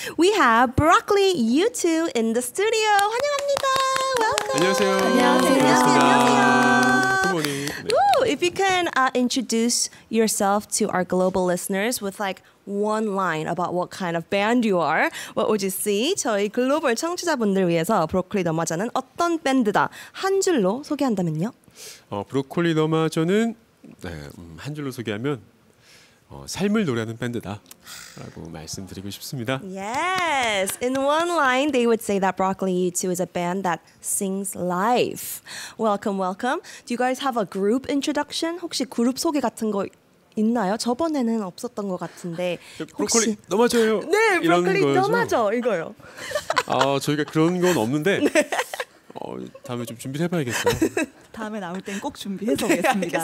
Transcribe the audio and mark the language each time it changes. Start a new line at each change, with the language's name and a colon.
English: We have Broccoli U2 in the studio.
Korean: 환영합니다.
English: Welcome.
Korean: 안녕하세요. 안녕하세요. 안녕하세요. 안녕하세요.
English: Good morning. If you can introduce yourself to our global listeners with like one line about what kind of band you are, what would you say?
Korean: 저희 글로벌 청취자분들 위해서 브로콜리 너마저는 어떤 밴드다 한 줄로 소개한다면요? 브로콜리 너마저는 한 줄로 소개하면 삶을 노래하는 밴드다 라고 말씀드리고 싶습니다.
English: Yes, in one line they would say that Broccoli U2 is a band that sings life. Welcome, welcome. Do you guys have a group introduction?
Korean: 혹시 그룹 소개 같은 거 있나요? 저번에는 없었던 것 같은데 브로콜리 너마저요. 네, 브로콜리 너마저 이거요. 아, 저희가 그런 건 없는데 네. 다음에 좀 준비를 해봐야겠어요. 다음에 나올 땐 꼭 준비해서 네, 오겠습니다.